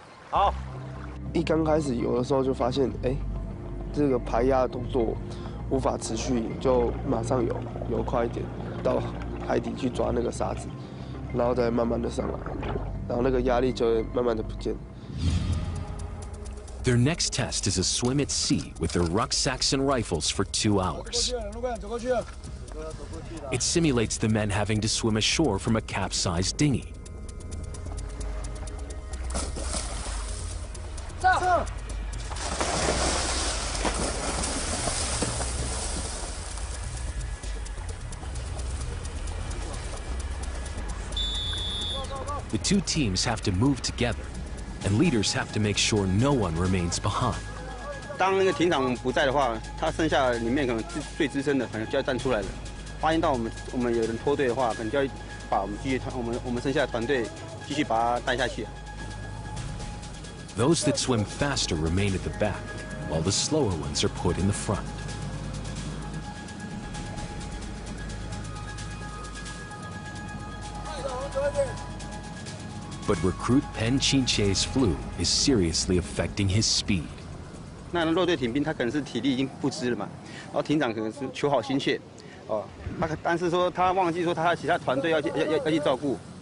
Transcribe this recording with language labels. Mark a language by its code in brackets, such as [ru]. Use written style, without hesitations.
[zh] 好。一刚开始有的时候就发现，这个排压动作无法持续，就马上游快一点，到海底去抓那个沙子，然后再慢慢的上来，然后那个压力就慢慢的不见。 [en] Their next test is a swim at sea with their rucksacks and rifles for 2 hours. It simulates the men having to swim ashore from a capsized dinghy. The two teams have to move together, and leaders have to make sure no one remains behind. [zh] 当那个艇长不在的话，他剩下里面可能最资深的可能就要站出来了。发现到我们有人脱队的话，可能就要把我们剩下的团队继续把他带下去。 [en] Those that swim faster remain at the back, while the slower ones are put in the front. [zh] 快走，快点！ [en] But recruit Pen Qingche's flu is seriously affecting his speed. [zh] 那陆队艇兵他可能是体力已经不支了嘛，然后艇长可能是求好心切，但是说他忘记说他其他团队要去照顾。